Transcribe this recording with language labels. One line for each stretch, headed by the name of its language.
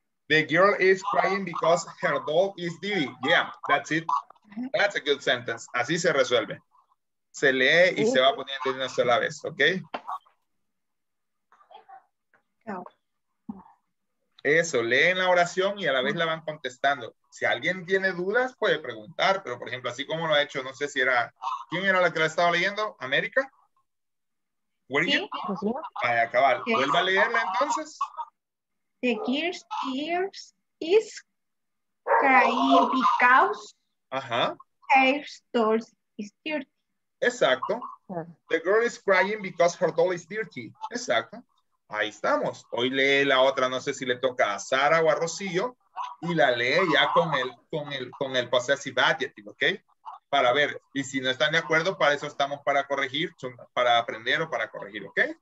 English: The girl is crying because her dog is dirty. Yeah, that's it. That's a good sentence.
Spanish: Así se resuelve. Se lee y se va poniendo una sola vez, ¿ok? Eso, leen la oración y a la vez la van contestando. Si alguien tiene dudas, puede preguntar, pero por ejemplo, así como lo ha hecho, no sé si era... ¿Quién era la que la estaba leyendo? ¿América?
English: ¿Where you?
Spanish: Para acabar. ¿Vuelva a leerla entonces?
English: The girl's ears is crying because her doll is dirty.
Spanish: Exacto.
English: The girl is crying because her doll is dirty.
Spanish: Exacto. Ahí estamos. Hoy lee la otra, no sé si le toca a Sara o a Rocío, y la lee ya con el possessive adjective, ¿ok? Para ver. Y si no están de acuerdo, para eso estamos, para corregir, para aprender o para corregir, ¿ok?